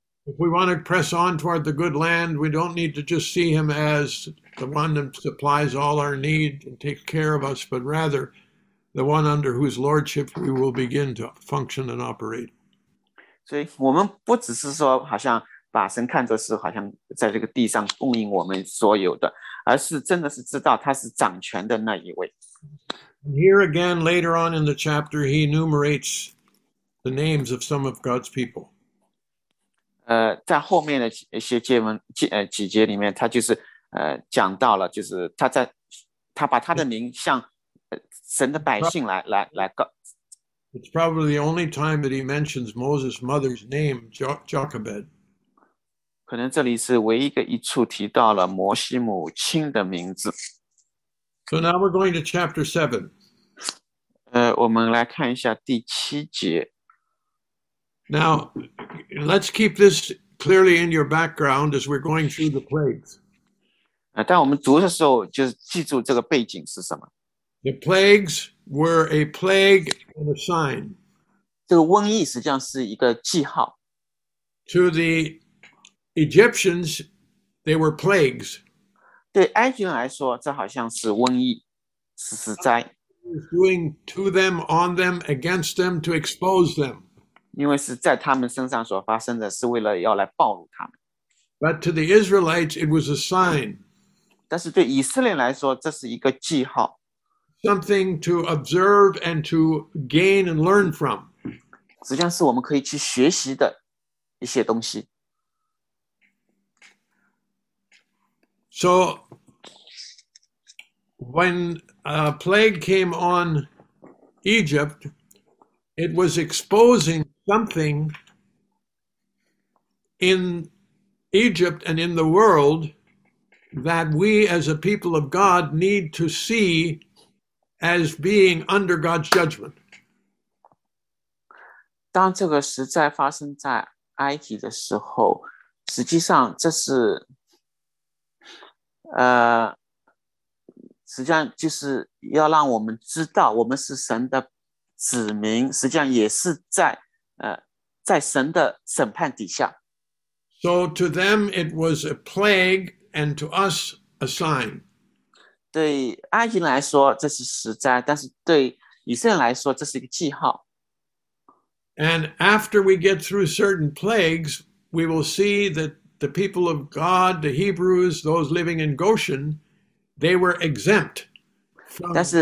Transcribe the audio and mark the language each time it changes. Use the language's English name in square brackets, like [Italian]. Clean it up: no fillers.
[English] If we want to press on toward the good land, we don't need to just see him as the one that supplies all our need and takes care of us, but rather the one under whose lordship we will begin to function and operate. [Chinese] 所以我们不只是说好像把神看作是好像在这个地上供应我们所有的，而是真的是知道他是掌权的那一位。 [English] Here again, later on in the chapter, he enumerates the names of some of God's people. [Chinese] 在后面的一些经文几节里面，他就是讲到了，就是他把他的名向神的百姓来告。 [English] It's probably the only time that he mentions Moses' mother's name, Jochebed. [Chinese] 可能这里是唯一一处提到了摩西母亲的名字。 [English] So now we're going to chapter 7. [Chinese] 我们来看一下第七节。 [English] Now, let's keep this clearly in your background as we're going through the plagues. [Chinese] 但我们读的时候就记住这个背景是什么。 [English] The plagues were a plague and a sign. [Chinese] 这个瘟疫实际上是一个记号。 [English] To the Egyptians, they were plagues. [Chinese] 对埃及人来说，这好像是瘟疫，是死灾。 [English] Doing to them, on them, against them, to expose them. [Chinese] 因为是在他们身上所发生的，是为了要来暴露他们。 [English] But to the Israelites, it was a sign. [Chinese] 但是对以色列来说，这是一个记号。 [English] Something to observe and to gain and learn from. [Chinese] 实际上是我们可以去学习的一些东西。 [English] So, when a plague came on Egypt, it was exposing something in Egypt and in the world that we as a people of God need to see as being under God's judgment. [Chinese] 当这个实在发生在埃及的时候，实际上这是实际上就是要让我们知道我们是神的子民，实际上也是在神的审判底下。 [English] So to them it was a plague and to us a sign. [Chinese] 对埃及人来说这是实灾，但是对以色列人来说这是一个记号。 [English] And after we get through certain plagues, we will see that the people of God, the Hebrews, those living in Goshen, they were exempt from